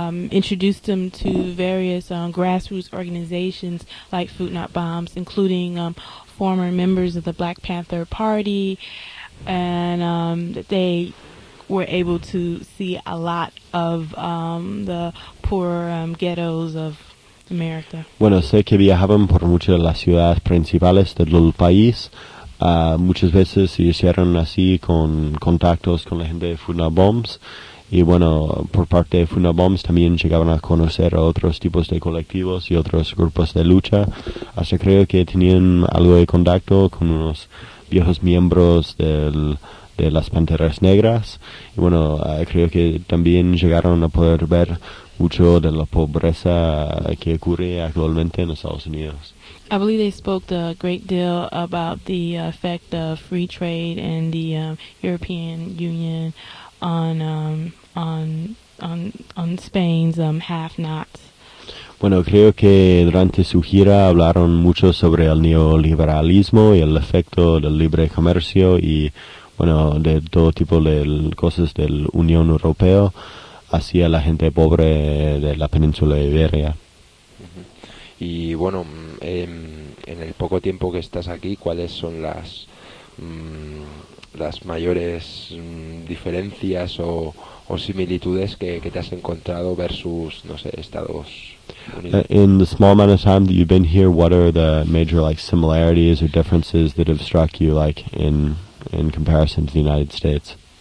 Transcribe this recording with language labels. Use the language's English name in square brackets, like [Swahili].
[English] introduced them to various grassroots organizations like Food Not Bombs, including former members of the Black Panther Party, and they were able to see a lot of the poor ghettos of America. [Spanish] Bueno, sé que viajaban por muchas de las ciudades principales del país. Muchas veces se hicieron así con contactos con la gente de Food Not Bombs. Y bueno, por parte de Food Not Bombs también llegaban a conocer a otros tipos de colectivos y otros grupos de lucha. Hasta creo que tenían algo de contacto con unos viejos miembros de las Panteras Negras. Y bueno, creo que también llegaron a poder ver mucho de la pobreza que ocurre actualmente en Estados Unidos. [English] I believe they spoke a great deal about the effect of free trade and the European Union on Spain's have-nots. [Spanish] Bueno, creo que durante su gira hablaron mucho sobre el neoliberalismo y el efecto del libre comercio y, bueno, de todo tipo de cosas de la Unión Europea hacia la gente pobre de la península Iberia. Y, bueno, en el poco tiempo que estás aquí, ¿cuáles son las mayores diferencias o similitudes que te has encontrado versus, no sé, Estados Unidos? [English] In the small amount of time that you've been here, what are the major like similarities or differences that have struck you like in comparison to the United States?